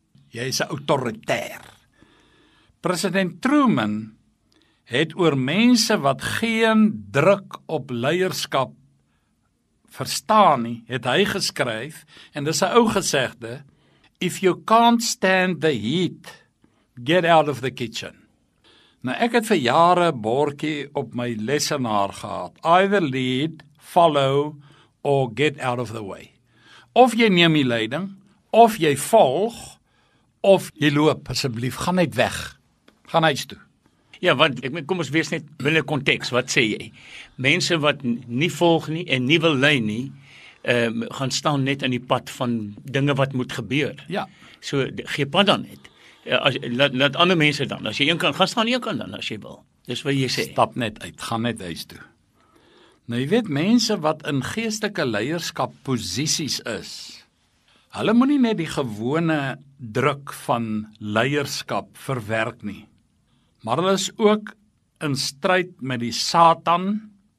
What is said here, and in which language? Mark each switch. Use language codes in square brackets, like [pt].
[af] Jy is 'n autoritair. President Truman het oor mense wat geen druk op leierskap verstaan nie, het hy geskryf, en dis 'n ou gesegde, [en] "If you can't stand the heat, get out of the kitchen." [af] Nou, ek het vir jare bordjie op my lessenaar gehad. [en] Either lead, follow, or get out of the way. [af] Of jy neem die leiding, of jy volg, of jy loop, asseblief, gaan net weg. Gaan huis toe. Ja, want ek kom ons wees net binne konteks, wat sê jy? Mense wat nie volg nie en nie wil lei nie, gaan staan net in die pad van dinge wat moet gebeur. Ja. So, gee pad dan net. Laat ander mense dan, as jy een kan, gaan staan een kan dan, as jy wil. Dis wat jy sê. Stap net uit, gaan net huis toe. Nou, jy weet, mense wat in geestelike leierskap posisies is, hulle moenie net die gewone druk van leierskap verwerk nie. Maar hulle is ook in stryd met die Satan.